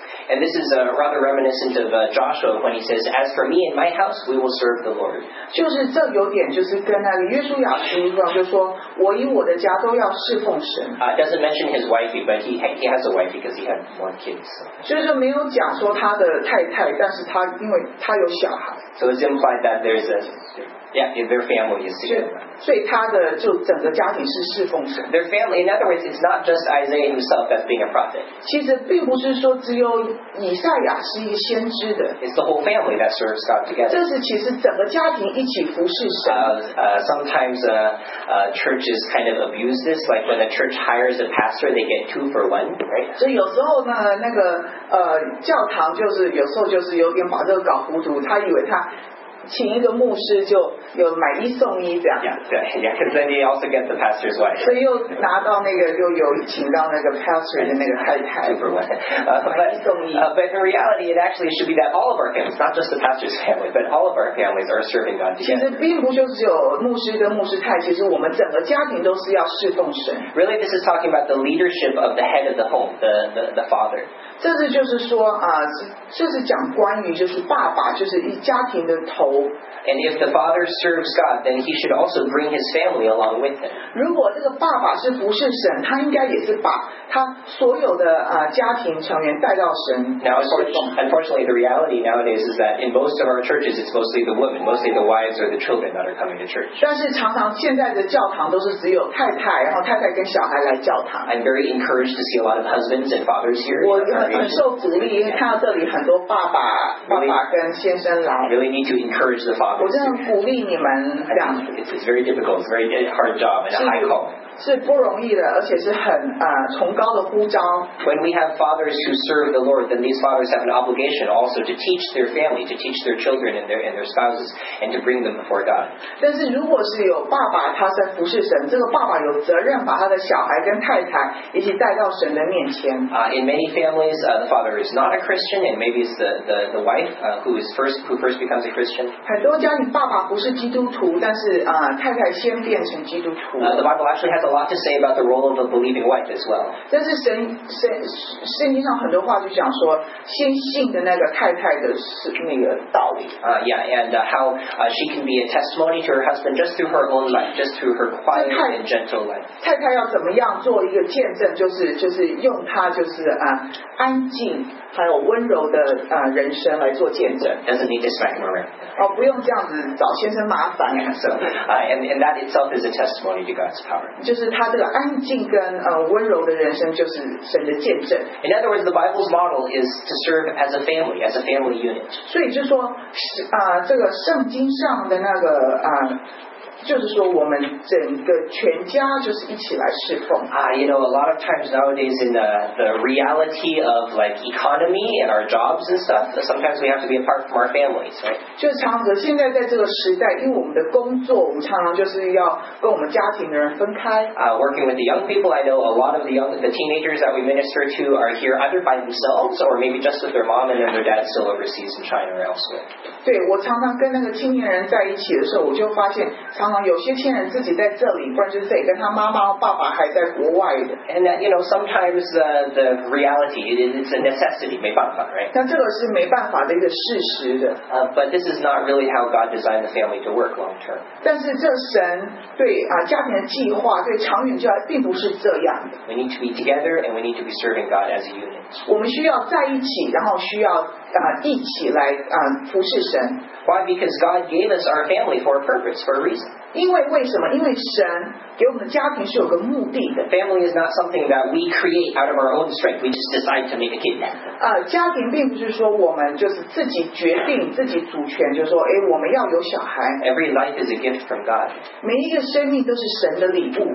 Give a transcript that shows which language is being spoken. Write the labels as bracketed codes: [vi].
[en] And this is rather reminiscent of Joshua when he says, As for me and my house, we will serve the Lord. [zh] 就是这有点就是跟那个约书亚书一样，就说我与我的家都要侍奉神。 [en] Doesn't mention his wife, but he has a wife because he had more kids. [zh] 就是没有讲说他的太太，但是他因为他有小孩。 [en] So it's implied that there's a... Yeah, their family is together. [zh] 所以他的就整个家庭是侍奉神。 [en] Their family, in other words, it's not just Isaiah himself that's being a prophet. [zh] 其实并不是说只有以赛亚是一个先知的。 [en] It's the whole family that serves God together. [zh] 这是其实整个家庭一起服侍神。 [en] Sometimes churches kind of abuse this, like when a church hires a pastor, they get two for one, right? [zh] 所以有时候呢，那个教堂就是有时候就是有点把这个搞糊涂，他以为他。请一个牧师就有买一送一这样。 [en] Yeah, because then he also gets the pastor's wife. [zh] 所以又拿到那个又有请到那个 pastor 的那个太太。买一送一。 [en] But in reality, it actually should be that all of our families, not just the pastor's family, but all of our families are serving God together. [zh] 其实并不就只有牧师跟牧师太，其实我们整个家庭都是要侍奉神。 [en] Really, this is talking about the leadership of the head of the home, the father. [zh] 这是就是说这是讲关于就是爸爸就是一家庭的头。 [en] And if the father serves God, then he should also bring his family along with him. [zh] 如果这个爸爸是服侍神，他应该也是把他所有的家庭成员带到神。 [en] Now, unfortunately, the reality nowadays is that in most of our churches, it's mostly the women, mostly the wives or the children that are coming to church. [zh] 但是常常现在的教堂都是只有太太，然后太太跟小孩来教堂。 [en] I'm very encouraged to see a lot of husbands and fathers here. [zh] 我很受鼓励，因为看到这里很多爸爸、 [en] really, [zh] 爸爸跟先生来。 [en] Really need to encourage the fathers. [zh] 我真的鼓励你们这样。 [en] It's very difficult. It's a very hard job and a high call. [zh] 是不容易的，而且是很崇高的呼召。 [en] When we have fathers who serve the Lord, then these fathers have an obligation also to teach their family, to teach their children and their spouses, and to bring them before God. [zh] 但是如果是有爸爸他在服侍神，这个爸爸有责任把他的小孩跟太太一起带到神的面前。 [en] In many families, the father is not a Christian, and maybe it's the wife who first becomes a Christian. [zh] 很多家里爸爸不是基督徒，但是太太先变成基督徒。 [en] The Bible actually has a lot to say about the role of a believing wife as well. [zh] 但是圣经上很多话就讲说，先信的那个太太的那个道理。 [en] How she can be a testimony to her husband just through her own life, just through her quiet and gentle life. [zh] 太太要怎么样做一个见证，就是用她安静还有温柔的人生来做见证。 [en] Doesn't need to smack him around. [zh] 不用这样子找先生麻烦。 [en] And that itself is a testimony to God's power. [zh] 就是她这个安静跟温柔的人生就是神的见证。 [en] In other words, the Bible's model is to serve as a family, as a family unit. [zh] 所以就说这个圣经上的那个就是说我们整个全家就是一起来侍奉。 [en] You know, a lot of times nowadays in the reality of like economy and our jobs and stuff, sometimes we have to be apart from our families, right? [zh] 就常常现在在这个时代，因为我们的工作，我们常常就是要跟我们家庭的人分开。 [en] Working with the young people, I know a lot of the teenagers that we minister to are here either by themselves or maybe just with their mom and then their dad still overseas in China or elsewhere. [zh] 对，我常常跟那个青年人在一起的时候，我就发现常常有些亲人自己在这里，不然就是跟他妈妈、爸爸还在国外的。 [en] And that, you know, sometimes the reality it's a necessity, [zh] 没办法 [en] right? [zh] 那这个是没办法的一个事实的。 [en] But this is not really how God designed the family to work long term. [zh] 但是这神对家庭的计划，对长远计划，并不是这样的。 [en] We need to be together, and we need to be serving God as a unit. [zh] 我们需要在一起，然后需要一起来服侍神。 [en] Why? Because God gave us our family for a purpose, for a reason. [zh] 因为为什么？因为神给我们的家庭是有个目的的。 [en] Family is not something that we create out of our own strength. We just decide to make a kid. [zh] 家庭并不是说我们就是自己决定、自己主权，就是说，我们要有小孩。 [en] Every life is a gift from God. [zh] 每一个生命都是神的礼物。